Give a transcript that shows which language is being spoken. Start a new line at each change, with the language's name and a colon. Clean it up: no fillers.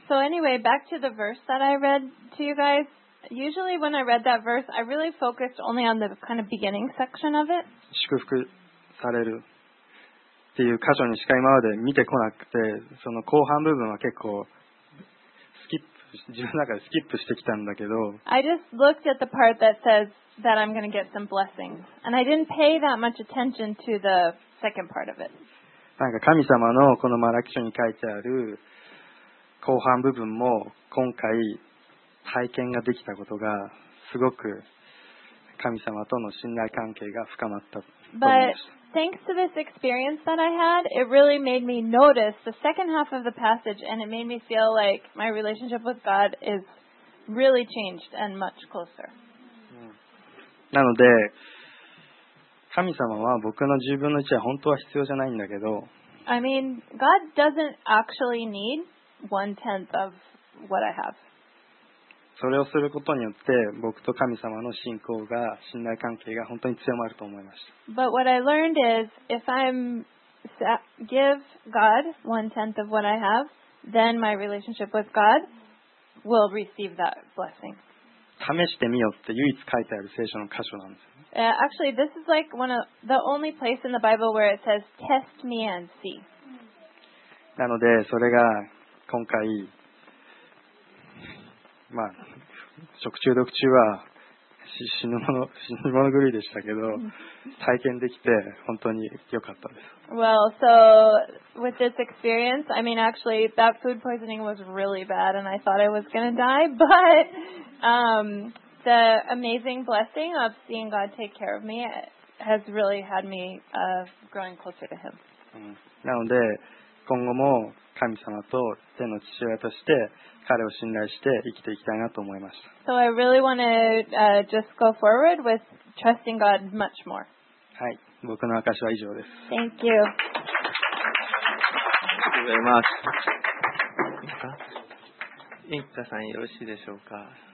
English: So anyway, back to the verse that I read to you guys. Usually when I read that verse, I really focused only on the kind of beginning section of it.
Japanese: 祝福されるっていう箇所にしか今まで見てこなくて、その後半部分は結構スキップ、自分の中でスキップしてきたんだけど。
English: I just looked at the part that says,that I'm going to get some blessings. And I didn't pay that much attention to the second part of it.
Japanese: なんか神様のこのマラキ書に書いてある後半部分も今回体験ができたことがすごく神様との信頼関係が深まったと思います。
English: But thanks to this experience that I had, it really made me notice the second half of the passage and it made me feel like my relationship with God is really changed and much closer.
Japanese: なので、神様は僕の10分の1は本当は必要じゃないんだけど、
English: I mean, God doesn't actually need one-tenth of what I have.
Japanese: それをすることによって、僕と神様の信仰が、信頼関係が本当に強まると思いました。
English: But what I learned is, if I give God one-tenth of what I have, then my relationship with God will receive that blessing.
Japanese: 試してみようって唯一書いてある聖書の箇所なんです、ね。
English: Actually, this is like one of the only place in the Bible where it says, test me and see.
Japanese: なので、それが今回、まあ、食中毒中は死に物狂いでしたけど、体験できて本当に良かったです。
English: Well, so with this experience, I mean, actually, that food poisoning was really bad, and I thought I was gonna die. But, the amazing blessing of seeing God take care of me has really had me growing closer to Him.
Japanese: なので、今後も神様と天の父親として彼を信頼して生きていきたいなと思いました。
English: So I really want to just go forward with trusting God much more.
Japanese: はい、僕の証は以上です。
English: Thank you.
Japanese: ありがとうございます。インカさんよろしいでしょうか。